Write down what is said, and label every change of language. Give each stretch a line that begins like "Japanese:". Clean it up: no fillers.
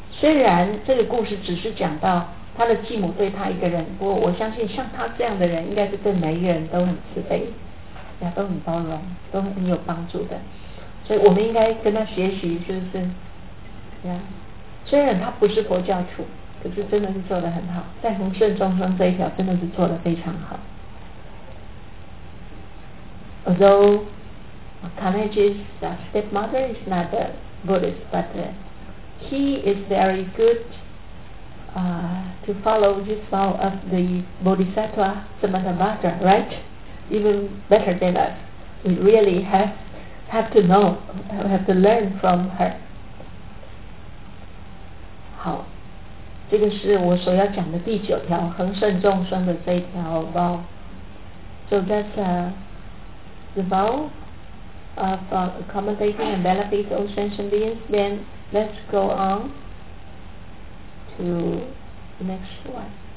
Chinese: 虽然这个故事只是讲到他的继母对他一个人，不过我相信像他这样的人应该是对每一个人都很慈悲，都很包容，都很有帮助的。所以我们应该跟他学习，是不是？虽然他不是佛教徒，可是真的是做得很好，在红顺众生这一条真的是做得非常好。
English: Although Carnegie's stepmother is not a Buddhist, but he is very good to follow this vow of the Bodhisattva Samatthabhadra, right? Even better than us. We really have to know, have to learn from her.
Chinese: 好，这个是我所要讲的第九条，恒顺众生的这一条 vow.
English: So that's the vow of accommodating and benefit all sentient beings. Then let's go on to the next one.